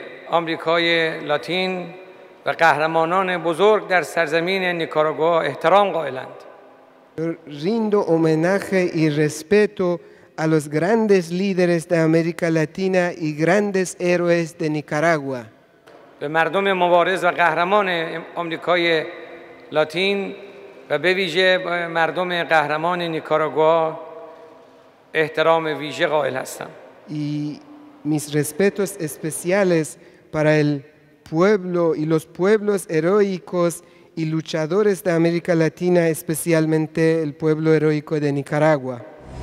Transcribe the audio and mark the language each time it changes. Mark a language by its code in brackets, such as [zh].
[fa] آمریکای لاتین و قهرمانان بزرگ در سرزمین نیکاراگوا احترام قائلند. [es] Rindo homenaje y respeto a los grandes líderes de América Latina y grandes héroes de Nicaragua. [fa] به مردم مبارز و قهرمان آمریکای لاتین و به ویژه مردم قهرمان نیکاراگوا احترام ویژه قائل هستم. [es] Y mis respetos especiales para el pueblo y los pueblos heroicos y luchadores de América Latina, especialmente el pueblo heroico de Nicaragua.